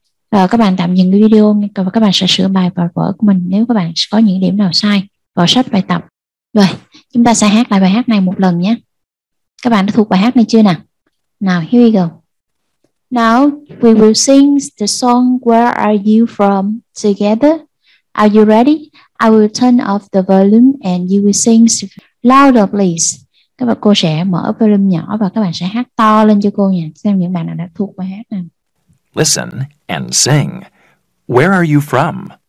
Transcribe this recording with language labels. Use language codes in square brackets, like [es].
[vi] Rồi, các bạn tạm dừng cái video, các bạn sẽ sửa bài và vở của mình nếu các bạn có những điểm nào sai vào sách bài tập. Rồi, chúng ta sẽ hát lại bài hát này một lần nhé. Các bạn đã thuộc bài hát này chưa nào? Nào, [en] here we go. Now we will sing the song Where Are You From together. Are you ready? I will turn off the volume and you will sing louder please. [vi] Các bạn, cô sẽ mở volume nhỏ và các bạn sẽ hát to lên cho cô nha. Xem những bạn nào đã thuộc bài hát nào. [en] Listen and sing. Where are you from?